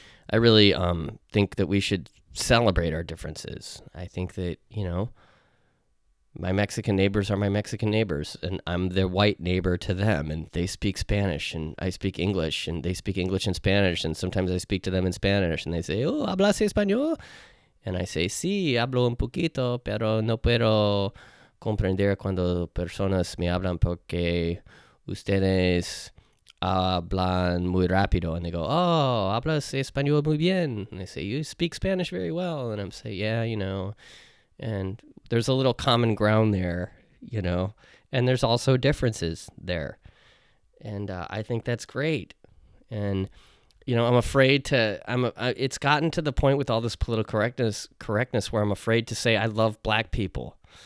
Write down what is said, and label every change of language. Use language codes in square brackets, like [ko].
[en] I really think that we should celebrate our differences. I think that, you know, my Mexican neighbors are my Mexican neighbors, and I'm their white neighbor to them, and they speak Spanish, and I speak English, and they speak English and Spanish, and sometimes I speak to them in Spanish, and they say, oh, [es] ¿hablas español? [en] And I say, [es] sí, hablo un poquito, pero no puedo comprender cuando personas me hablan porque ustedes hablan muy rápido. [en] And they go, oh, [es] hablas español muy bien. [en] And they say, you speak Spanish very well. And I'm saying, yeah, you know. And there's a little common ground there, you know. And there's also differences there. And I think that's great. And, you know, it's gotten to the point with all this political correctness where I'm afraid to say I love black people.